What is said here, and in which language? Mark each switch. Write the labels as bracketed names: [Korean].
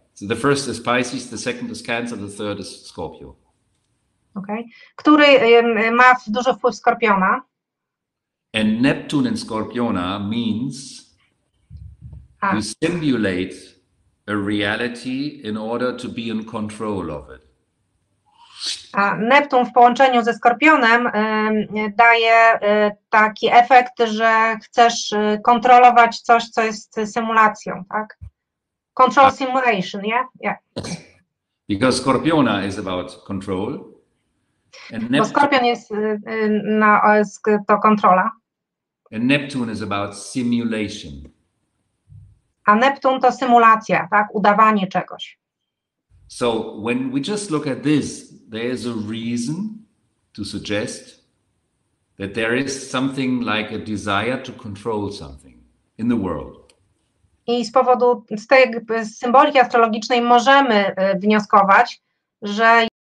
[English] So the first is Pisces, the second is Cancer, the third is Scorpio. Okay. [Polish] Który ma duży wpływ Skorpiona. [English] And Neptune in Scorpiona means you simulate a reality in order to be in control of it. [Polish] A Neptun w połączeniu ze Skorpionem daje taki efekt, że chcesz kontrolować coś, co jest symulacją, tak? [English] Control simulation, yeah? Yeah. Because Scorpiona is about control. [Polish] Bo Skorpion jest na no, to kontrola. [English] And Neptune is about simulation. [Polish] A Neptun to symulacja, tak? Udawanie czegoś. [English] So when we just look at this, there is a reason to suggest that there is something like a desire to control something in the world. [Polish] I z powodu z tej symboliki astrologicznej możemy wnioskować, że